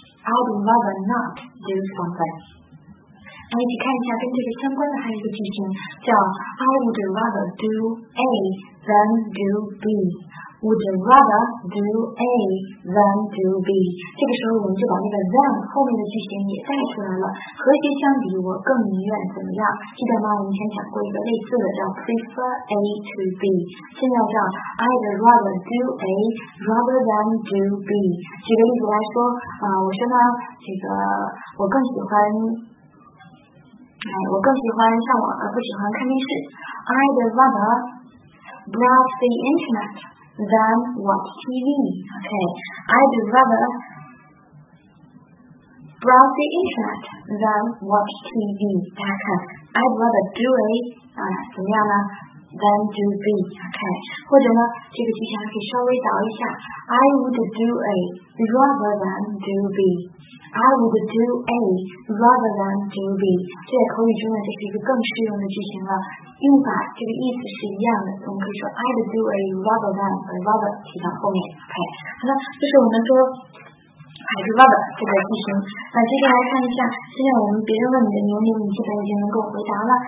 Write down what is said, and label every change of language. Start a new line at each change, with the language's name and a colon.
English: outer verb not do something。
Chinese: 我们一起看一下跟这个相关的还有一个句型，叫
English: I would rather do A than do B. Would rather do A than do B.
Chinese: 这个时候我们就把那个 than 后面的句型也带出来了。和谁相比，我更宁愿怎么样？记得吗？我们以前讲过一个类似的，叫 prefer A to B. 现在叫 I'd rather do A rather than do B. 举个例子来说，我说呢，这个我更喜欢。我更喜欢上网而不喜欢看电视。
English: I'd rather browse the internet than watch TV. Okay, I'd rather browse the internet than watch TV.
Chinese: 大家看 ，
English: I'd rather do A
Chinese: 啊，怎么样呢 ？
English: Than do B.
Chinese: Okay, 或者呢，这个句型可以稍微倒一下。
English: I would do A rather than do B. I would do A rather than do B.
Chinese: 这在口语中呢，这是一个更适用的句型了。用法这个意思是一样的。我们可以说
English: I'd do A rather than rather
Chinese: 提到后面。 OK， 好的，就是我们说还是 rather 这个句型。那接下来看一下，现在我们别人问你的年龄，你基本已经能够回答了。